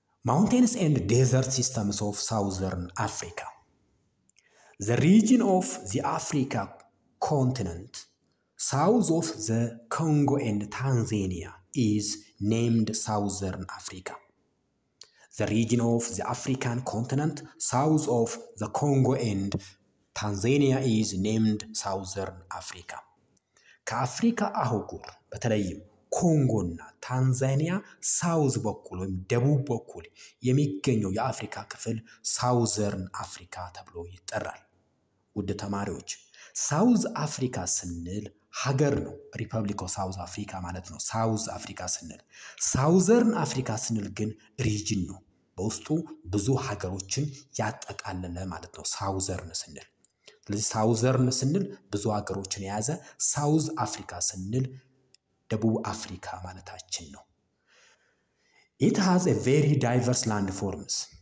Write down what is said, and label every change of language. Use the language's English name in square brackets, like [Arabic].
[English] ማውንቴንስ ኤንድ ዴዘርት ሲስተምስ ኦፍ ሳውዘርን አፍሪካ። ዘ ሪጅን ኦፍ ዘ አፍሪካ ኮንቲነንት south of the Congo and Tanzania is named Southern Africa. The region of the African continent south of the Congo and Tanzania is named Southern Africa. [Amharic] ከአፍሪካ አህጉር በተለይም ኮንጎና ታንዛኒያ ሳውዝ በኩል ወይም ደቡብ በኩል የሚገኘው የአፍሪካ ክፍል Southern Africa ተብሎ ይጠራል። ውድ ተማሪዎች ሳውዝ አፍሪካ ስንል ሀገር ነው። Republic of South Africa ማለት ነው ሳውዝ አፍሪካ ስንል። ሳውዘርን አፍሪካ ስንል ግን ሪጅን ነው። በውስጡ ብዙ ሀገሮችን ያጠቃለለ ማለት ነው ሳውዘርን ስንል። ስለዚህ ሳውዘርን ስንል ብዙ ሀገሮችን የያዘ፣ ሳውዝ አፍሪካ ስንል ደቡብ አፍሪካ ማለታችን ነው። [English] It has a very diverse land forms.